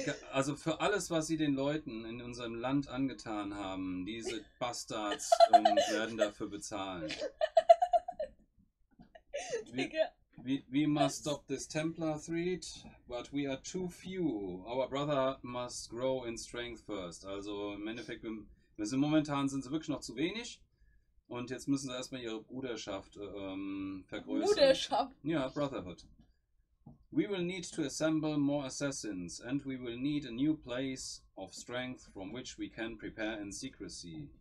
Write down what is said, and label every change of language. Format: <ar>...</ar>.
<de>Also für alles, was sie den Leuten in unserem Land angetan haben, diese Bastards werden dafür bezahlen.</de> <en>We must stop this Templar threat, but we are too few. Our brother must grow in strength first.</en> <de>Also im Endeffekt, momentan sind sie wirklich noch zu wenig. Und jetzt müssen sie erstmal ihre Bruderschaft vergrößern. Bruderschaft?</de> <en>Ja, Brotherhood. We will need to assemble more assassins and we will need a new place of strength from which we can prepare in secrecy.</en>